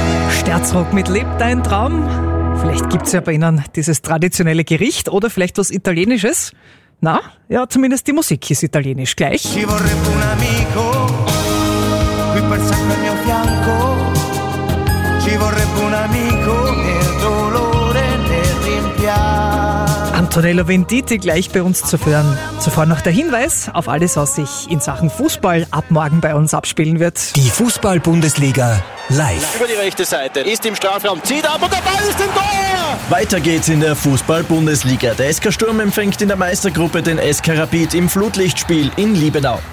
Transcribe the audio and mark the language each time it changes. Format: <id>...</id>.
<de>Sterzrock mit Leb dein Traum. Vielleicht gibt es ja bei Ihnen dieses traditionelle Gericht oder vielleicht was Italienisches. Na, ja, zumindest die Musik ist italienisch. Gleich.</de> <it>Ci vorrebbe un amico, qui per sempre al mio fianco. Ci vorrebbe un amico nel dolore, nel rimpianto.</it> <de>Antonello Venditti gleich bei uns zu hören. Zuvor noch der Hinweis auf alles, was sich in Sachen Fußball ab morgen bei uns abspielen wird. Die Fußball-Bundesliga live. Über die rechte Seite, ist im Strafraum, zieht ab und der Ball ist im Tor! Weiter geht's in der Fußball-Bundesliga. Der SK Sturm empfängt in der Meistergruppe den SK Rapid im Flutlichtspiel in Liebenau.</de>